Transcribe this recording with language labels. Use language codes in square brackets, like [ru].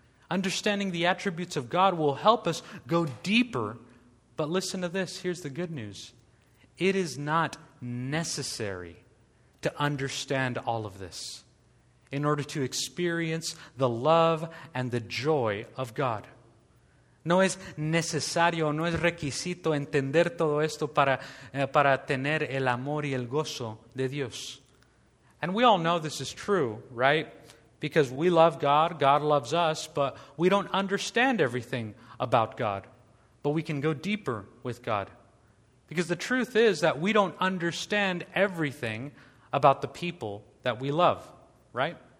[en] Understanding the attributes of God will help us go deeper. But listen to this. Here's the good news. It is not necessary to understand all of this in order to experience the love and the joy of God. [es] No es necesario, no es requisito entender todo esto para tener el amor y el gozo de Dios. [en] And we all know this is true, right? Because we love God, God loves us, but we don't understand everything about God. But we can go deeper with God. Because the truth is that we don't understand everything about the people that we love, right?